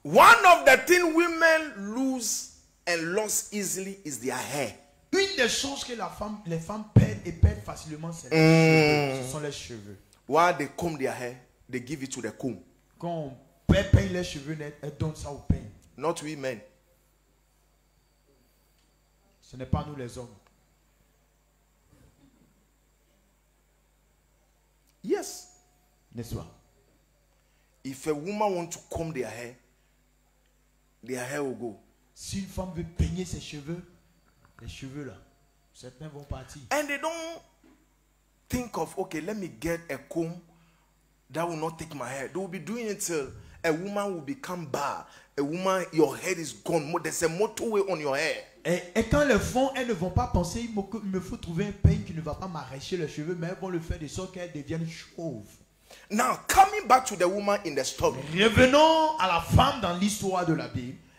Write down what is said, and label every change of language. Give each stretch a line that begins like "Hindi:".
English: One of the things women lose and lost easily is their hair.
French: Une des choses que les femmes perdent et perdent facilement, c'est les cheveux. Ce sont les cheveux.
English: While they comb their hair, they give it to the comb.
French: Quand on peigne les cheveux, elles donnent ça au peigne.
English: Not women.
French: Ce n'est pas nous les hommes.
English: Yes.
French: N'est-ce pas?
English: If a woman wants to comb their hair will go.
French: Si une femme veut peigner ses cheveux, les cheveux là, certains vont partir.
English: And they don't think of, okay, let me get a comb that will not take my hair. They will be doing it till a woman will become bad. A woman, your head is gone. There's a motorway on your hair.
French: Et quand elles le font, elles ne vont pas penser, il me faut trouver un peigne qui ne va pas m'arracher les cheveux, mais elles vont le faire de sorte qu'elles deviennent chauves.
English: Now, coming back to the woman in the story.
French: Revenons à la femme dans l'histoire de la Bible.